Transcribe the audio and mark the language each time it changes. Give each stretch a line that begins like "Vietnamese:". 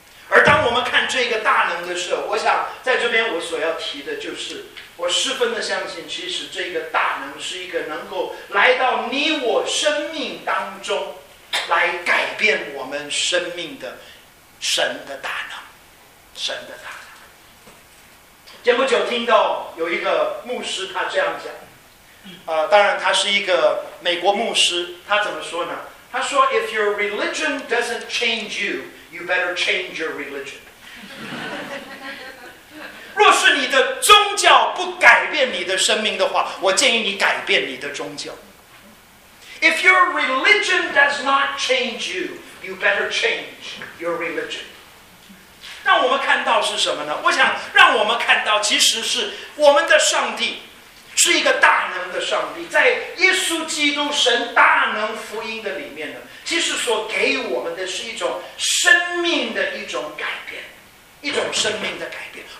Chinese: 而当我们看这个大能的时候，我想在这边我所要提的就是，我十分的相信，其实这个大能是一个能够来到你我生命当中来改变我们生命的神的大能，神的大能。前不久听到有一个牧师他这样讲，当然他是一个美国牧师，他怎么说呢？他说
English: If your religion doesn't change you, you better change your religion.
Chinese: 若是你的宗教不改变你的生命的话，我建议你改变你的宗教。
English: If your religion does not change you, you better change your religion.
Chinese: 让我们看到是什么呢？我想让我们看到，其实是我们的上帝是一个大能的上帝，在耶稣基督神大能福音的里面呢，其实所给我们的是一种生命的一种改变，一种生命的改变。